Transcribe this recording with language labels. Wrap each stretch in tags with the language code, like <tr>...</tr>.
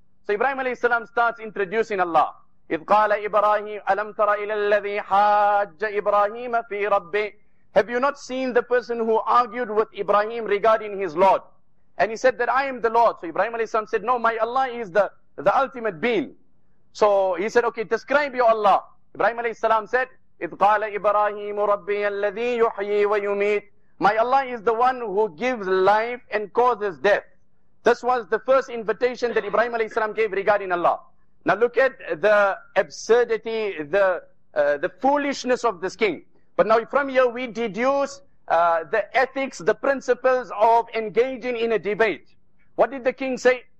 <en>So Ibrahim alayhi salam starts introducing Allah.</en> <ar>إِذْ قَالَ إِبْرَاهِيمُ أَلَمْ تَرَ إِلَى الَّذِي حَاجَّ إِبْرَاهِيمَ فِي رَبِّهِ.</ar> <en>Have you not seen the person who argued with Ibrahim regarding his Lord? And he said that I am the Lord. So Ibrahim alayhi salam said, no, my Allah is the ultimate being. So he said, okay, describe your Allah. Ibrahim alayhi salam said,</en> <ar>إِذْ قَالَ إِبْرَاهِيمُ رَبِّيَ الَّذِي يُحْيِي وَيُمِيتُ.</ar> <en>My Allah is the one who gives life and causes death. This was the first invitation that Ibrahim alayhi salam gave regarding Allah. Now look at the absurdity, the foolishness of this king. But now from here we deduce the ethics, the principles of engaging in a debate. What did the king say?</en>